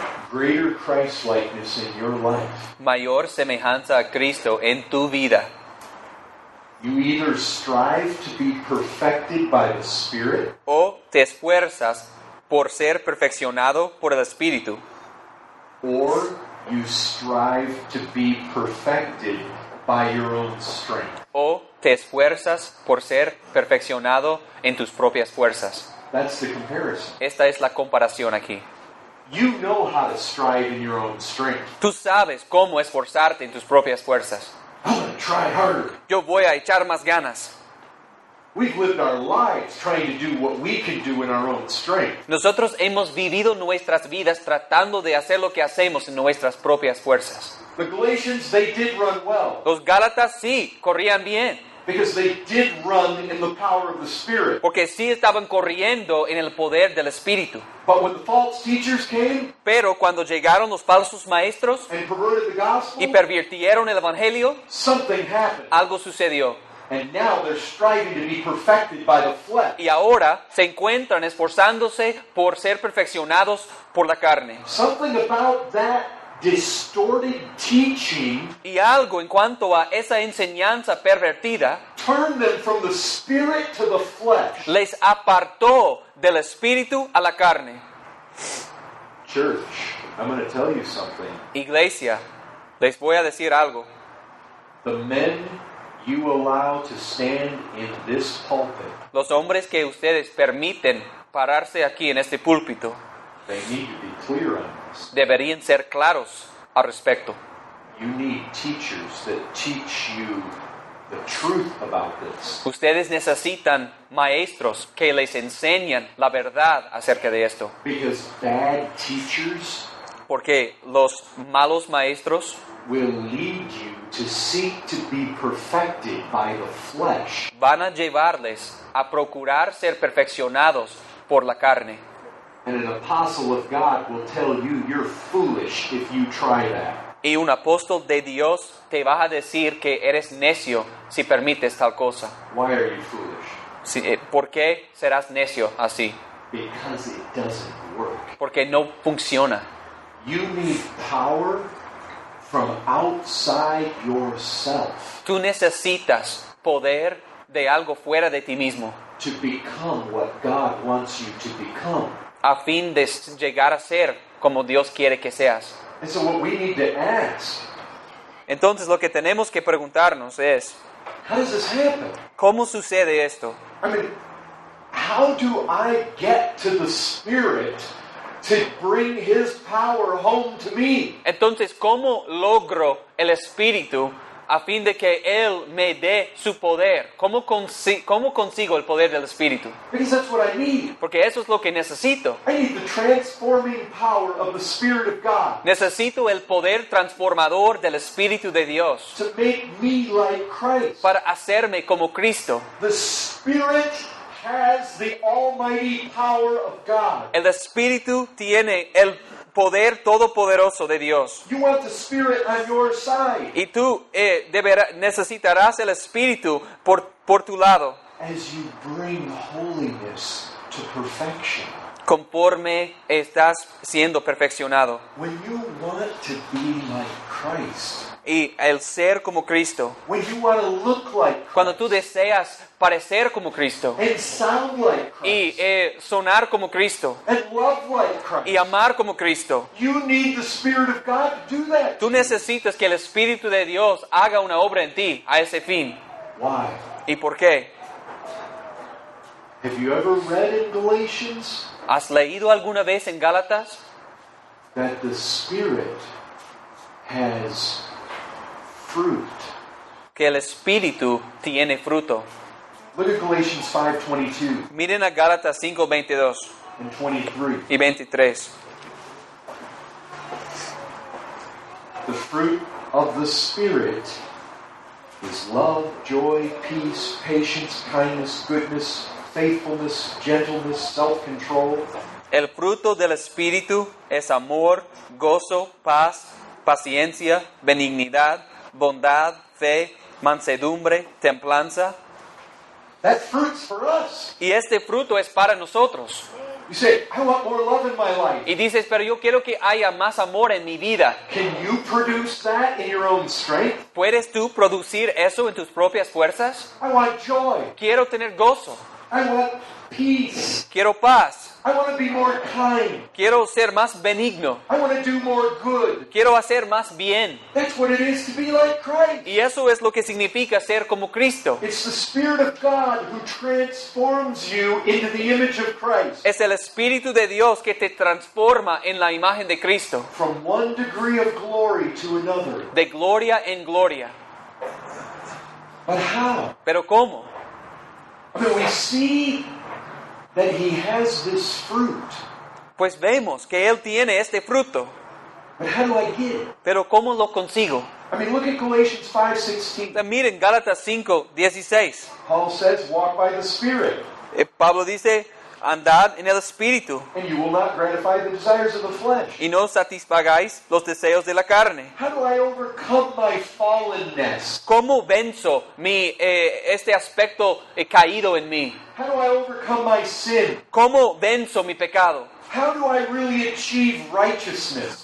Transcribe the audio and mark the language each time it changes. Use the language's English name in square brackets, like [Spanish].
[English] Greater Christ-likeness in your life. [Spanish] Mayor semejanza a Cristo en tu vida. [English] You either strive to be perfected by the Spirit, [Spanish] o te esfuerzas por ser perfeccionado por el Espíritu. [English] Or you strive to be perfected by your own strength. [Spanish] O te esfuerzas por ser perfeccionado en tus propias fuerzas. [English] That's the comparison. [Spanish] Esta es la comparación aquí. [English] You know how to strive in your own strength. [Spanish] Tú sabes cómo esforzarte en tus propias fuerzas. [English] I'm gonna try harder. [Spanish] Yo voy a echar más ganas. [English] We've lived our lives trying to do what we can do in our own strength. [Spanish] Nosotros hemos vivido nuestras vidas tratando de hacer lo que hacemos en nuestras propias fuerzas. [English] The Galatians, they did run well. [Spanish] Los Gálatas sí, corrían bien. [English] Because they did run in the power of the Spirit. [Spanish] Porque sí estaban corriendo en el poder del Espíritu. [English] But when the false teachers came, [Spanish] pero cuando llegaron los falsos maestros, [English] and perverted the gospel, [Spanish] y pervirtieron el Evangelio, [English] something happened. [Spanish] Algo sucedió. [English] And now they're striving to be perfected by the flesh. [Spanish] Y ahora se encuentran esforzándose por ser perfeccionados por la carne. [English] Something about that distorted teaching. [Spanish] Y algo en cuanto a esa enseñanza pervertida. [English] Turned them from the spirit to the flesh. [Spanish] Les apartó del espíritu a la carne. [English] Church, I'm going to tell you something. [Spanish] Iglesia, les voy a decir algo. [English] The men you allow to stand in this pulpit. [Spanish] Los hombres que ustedes permiten pararse aquí en este púlpito. [English] They need to be clear on this. [Spanish] Deberían ser claros al respecto. [English] You need teachers that teach you the truth. truth about this. [Spanish] Ustedes necesitan maestros que les enseñen la verdad acerca de esto. [English] Because bad teachers, [Spanish] porque los malos maestros, [English] will lead you to seek to be perfected by the flesh. [Spanish] Van a llevarles a procurar ser perfeccionados por la carne. [English] And an apostle of God will tell you you're foolish if you try that. [Spanish] Y un apóstol de Dios te va a decir que eres necio si permites tal cosa. [English] Why are you foolish? [Spanish] Si, ¿por qué serás necio así? [English] Because it doesn't work. [Spanish] Porque no funciona. [English] You need power from outside yourself. [Spanish] Tú necesitas poder de algo fuera de ti mismo. [English] To become what God wants you to become. [Spanish] A fin de llegar a ser como Dios quiere que seas. [English] And so what we need to ask, [Spanish] entonces lo que tenemos que preguntarnos es, [English] how does this happen? [Spanish] ¿Cómo sucede esto? [English] I mean, how do I get to the Spirit to bring His power home to me? [Spanish] Entonces, ¿cómo logro el Espíritu a fin de que Él me dé su poder? ¿Cómo consigo el poder del Espíritu? [English] Because that's what I need. [Spanish] Porque eso es lo que necesito. [English] I need the transforming power of the Spirit of God. [Spanish] Necesito el poder transformador del Espíritu de Dios. [English] To make me like Christ. [Spanish] Para hacerme como Cristo. [English] The Spirit has the almighty power of God. [Spanish] El Espíritu tiene el poder todopoderoso de Dios. [English] You want the Spirit on your side. [Spanish] Y tú necesitarás el Espíritu por tu lado. [English] As you bring holiness to perfection. [Spanish] Conforme estás siendo perfeccionado. [English] When you want to be like Christ. [Spanish] Y el ser como Cristo. [English] When you want to look like Christ. [Spanish] Cuando tú deseas parecer como Cristo. [English] And sound like Christ. [Spanish] Y sonar como Cristo. [English] And love like Christ. [Spanish] Y amar como Cristo. [English] You need the Spirit of God to do that. [Spanish] Tú necesitas que el Espíritu de Dios haga una obra en ti a ese fin. [English] Why? [Spanish] ¿Y por qué? [English] Have you ever read in Galatians? [Spanish] ¿Has leído alguna vez en Gálatas? [English] That the Spirit has fruit. [Spanish] Que el Espíritu tiene fruto. [English] Look at Galatians 5:22. [Spanish] Miren a Gálatas 5:22. [English] And 23. [Spanish] Y 23. [English] The fruit of the Spirit is love, joy, peace, patience, kindness, goodness, faithfulness, gentleness, self-control. [Spanish] El fruto del Espíritu es amor, gozo, paz, paciencia, benignidad, bondad, fe, mansedumbre, templanza. [English] That fruit's for us. [Spanish] Y este fruto es para nosotros. [English] You say, I want more love in my life. [Spanish] Y dices, pero yo quiero que haya más amor en mi vida. [English] Can you produce that in your own strength? [Spanish] ¿Puedes tú producir eso en tus propias fuerzas? [English] I want joy. [Spanish] Quiero tener gozo. [English] I want peace. [Spanish] Quiero paz. [English] I want to be more kind. [Spanish] Quiero ser más benigno. [English] I want to do more good. [Spanish] Quiero hacer más bien. [English] That's what it is to be like Christ. [Spanish] Y eso es lo que significa ser como Cristo. [English] It's the Spirit of God who transforms you into the image of Christ. [Spanish] Es el Espíritu de Dios que te transforma en la imagen de Cristo. [English] From one degree of glory to another. [Spanish] De gloria en gloria. [English] But how? [Spanish] Pero cómo? [English] But we see that he has this fruit. [Spanish] Pues vemos que él tiene este fruto. [English] But how do I get it? [Spanish] Pero ¿cómo lo consigo? [English] I mean, look at Galatians 5:16. [Spanish] Miren Gálatas 5:16. [English] Paul says, walk by the Spirit. [Spanish] Pablo dice, andad en el Espíritu. [English] And you will not gratify the desires of the flesh. [Spanish] Y no satisfagáis los deseos de la carne. [English] How do I overcome my fallenness? [Spanish] ¿Cómo venzo mi este aspecto caído en mí? [English] How do I overcome my sin? [Spanish] ¿Cómo venzo mi pecado? [English] How do I really achieve righteousness?